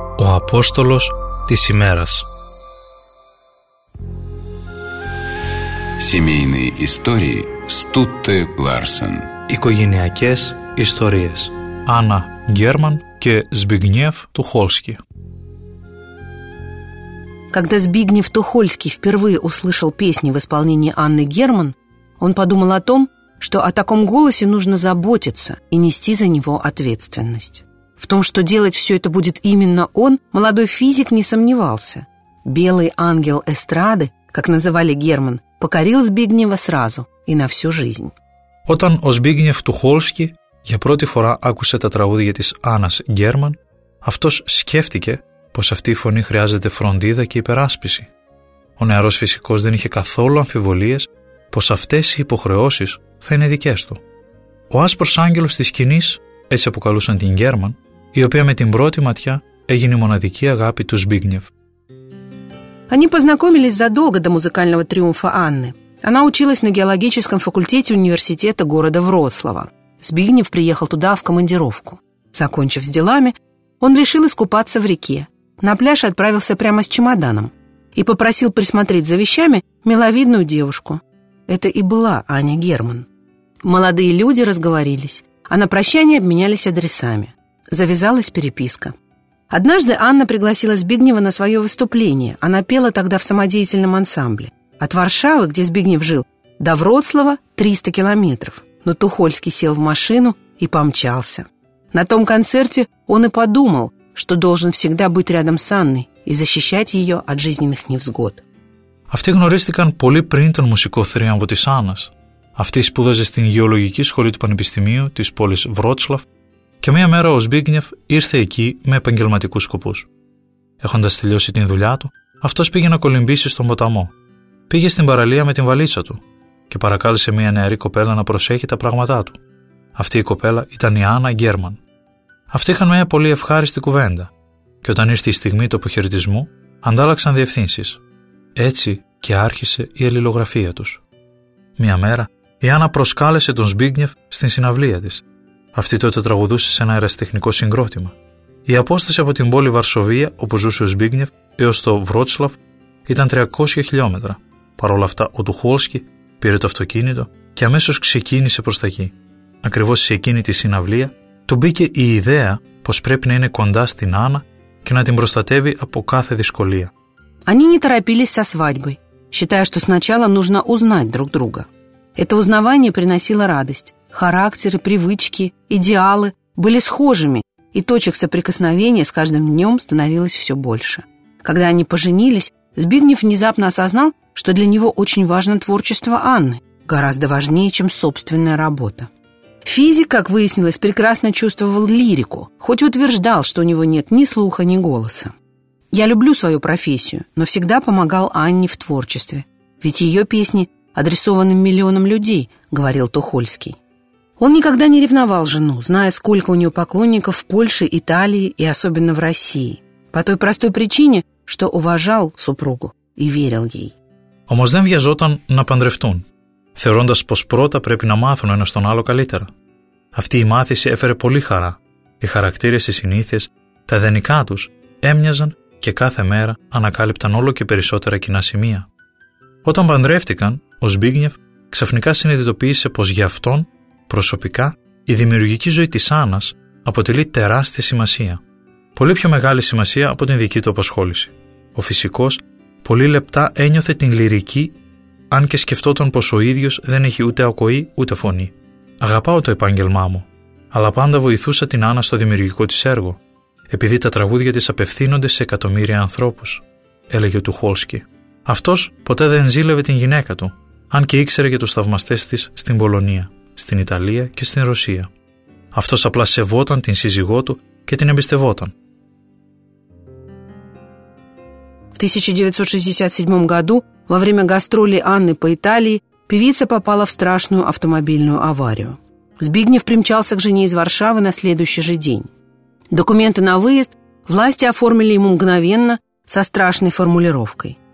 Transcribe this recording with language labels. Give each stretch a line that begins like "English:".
Greek: О апостолос της ημέρας.
Russian: Семейные истории Стутте Ларсен.
Greek: Οικογενειακές ιστορίες. Άννα Γκέρμαν και Збιγνιεύ Τουχόλσκι.
Russian: Когда Збигнев Тухольский впервые услышал песни в исполнении Анны Герман, он подумал о том, что о таком голосе нужно заботиться и нести за него ответственность. В том, что делать все это будет именно он, молодой физик не сомневался. «Белый ангел эстрады», как называли Герман, покорил Збигнева сразу и на всю жизнь.
Greek: Отан о Збигнев Тухольский για πρώτη φορά άκουσε τα τραγούδια της Άννας Γκέρμαν, αυτός σκέφτηκε πως αυτή η φωνή χρειάζεται φροντίδα και υπεράσπιση. Ο νεαρός φυσικός δεν είχε καθόλου αμφιβολίες πως αυτές οι υποχρεώσεις θα είναι δικές του. Ο άσπρος άγγελος της σκηνής, έτσι αποκαλούσαν την Γκέρμαν, η οποία με την πρώτη ματιά έγινε η μοναδική αγάπη του Збίγνιεφ.
Russian: Они познакомились задолго до музыкального триумфа Анны. Она училась на геологическом факультете университета города Вроцлава. Збигнев приехал туда в командировку. Закончив с делами, он решил искупаться в реке. на пляж отправился прямо с чемоданом и попросил присмотреть за вещами миловидную девушку. Это и была Аня Герман. Молодые люди разговорились, а на прощание обменялись адресами. Завязалась переписка. Однажды Анна пригласила Збигнева на свое выступление. Она пела тогда в самодеятельном ансамбле. От Варшавы, где Збигнев жил, до Вроцлава 300 километров. Но Тухольский сел в машину и помчался. На том концерте он и подумал, что должен всегда быть рядом с Анной и защищать ее от жизненных невзгод.
Greek: Αυτοί γνωρίστηκαν πολύ πριν τον μουσικό θρίαμβο της Άννας. Αυτή σπούδαζε στην γεωλογική σχολή του Πανεπιστημίου της πόλης Βρότσλαφ και μία μέρα ο Σμπίγνεφ ήρθε εκεί με επαγγελματικούς σκοπούς. Έχοντας τελειώσει την δουλειά του, αυτός πήγε να κολυμπήσει στον ποταμό. Πήγε στην παραλία με την βαλίτσα του και παρακάλεσε μία νεαρή κοπέλα να προσέχει τα πράγματά του. Αυτή η κοπέλα ήταν η Άννα Γκέρμαν. Αυτοί είχαν μία πολύ ευχάριστη κουβέντα και όταν ήρθε η στιγμή του αποχαιρετισμού, αντάλλαξαν διευθύνσεις. Έτσι και άρχισε η αλληλογραφία τους. Μια μέρα, η Άννα προσκάλεσε τον Σμπίγνεφ στην συναυλία της. Αυτή τότε τραγουδούσε σε ένα αεραστεχνικό συγκρότημα. Η απόσταση από την πόλη Βαρσοβία, όπου ζούσε ο Σμπίγνεφ, έως το Βρότσλαφ, ήταν 300 χιλιόμετρα. Παρ' όλα αυτά, ο Τουχόλσκι πήρε το αυτοκίνητο και αμέσως ξεκίνησε προς τα εκεί. Ακριβώς σε εκείνη τη συναυλία, του μπήκε η ιδέα πως πρέπει να είναι κοντά στην Άννα και να την προστατεύει από κάθε δυσκολία.
Russian: Они не торопились со свадьбой, считая, что сначала нужно узнать друг друга. Это узнавание приносило радость. Характеры, привычки, идеалы были схожими, и точек соприкосновения с каждым днем становилось все больше. Когда они поженились, Збигнев внезапно осознал, что для него очень важно творчество Анны, гораздо важнее, чем собственная работа. Физик, как выяснилось, прекрасно чувствовал лирику, хоть и утверждал, что у него нет ни слуха, ни голоса. «Я люблю свою профессию, но всегда помогал Анне в творчестве. Ведь ее песни адресованы миллионам людей», — говорил Тухольский. Он никогда не ревновал жену, зная, сколько у нее поклонников в Польше, Италии и особенно в России. По той простой причине, что уважал супругу и верил ей.
Greek: Όμως δεν βιαζόταν να παντρευτούν, θεωρώντας πως πρώτα πρέπει να μάθουν ένας τον άλλο καλύτερα. Αυτή η μάθηση έφερε πολύ χαρά. Οι χαρακτήρες, οι συνήθειες, τα ιδανικά τους έμοιαζαν και κάθε μέρα ανακάλυπταν όλο και περισσότερα κοινά σημεία. Όταν παντρεύτηκαν, ο Σμπίγνεφ ξαφνικά συνειδητοποίησε πως για αυτόν, προσωπικά, η δημιουργική ζωή της Άννας αποτελεί τεράστια σημασία. Πολύ πιο μεγάλη σημασία από την δική του απασχόληση. Ο φυσικός πολύ λεπτά ένιωθε την λυρική, αν και σκεφτόταν πως ο ίδιος δεν έχει ούτε ακοή ούτε φωνή. «Αγαπάω το επάγγελμά μου, αλλά πάντα βοηθούσα την Άννα στο δημιουργικό της έργο, επειδή τα τραγούδια της απευθύνονται σε εκατομμύρια ανθρώπους», έλεγε ο Τουχόλσκι. Αυτός ποτέ δεν ζήλευε την γυναίκα του, αν και ήξερε για τους θαυμαστές της στην Πολωνία, στην Ιταλία και στην Ρωσία. Αυτός απλά σεβόταν την σύζυγό του και την εμπιστευόταν.
Russian: В 1967 году, во время гастролей Анны по Италии, певица попала в страшную автомобильную аварию. Збигнев примчался к жене из Варшавы на следующий же день. Документы на выезд власти оформили ему мгновенно со страшной формулировкой.